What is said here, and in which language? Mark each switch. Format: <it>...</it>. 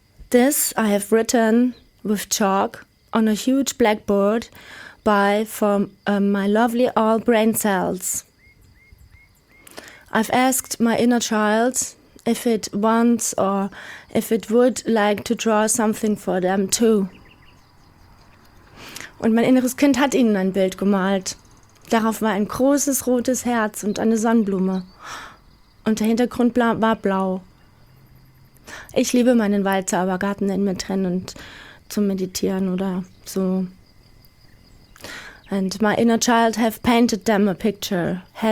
<en>This I have written with chalk on a huge blackboard by from my lovely all brain cells. I've asked my inner child if it wants or if it would like to draw something for them too.</en> <de>Und mein inneres Kind hat ihnen ein Bild gemalt. Darauf war ein großes rotes Herz und eine Sonnenblume. Und der Hintergrund war blau. Ich liebe meinen Waldzaubergarten in mir drin und zu meditieren oder so.</de> <en>And my inner child has painted them a picture.</en>